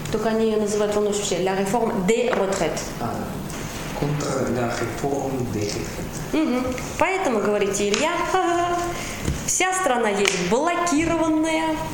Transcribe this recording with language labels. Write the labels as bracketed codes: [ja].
[ru] Только они ее называют по нашему счету [fr] la réforme des retraites. Contre la réforme des retraites. [ru] Поэтому говорите Илья, вся страна есть блокированная.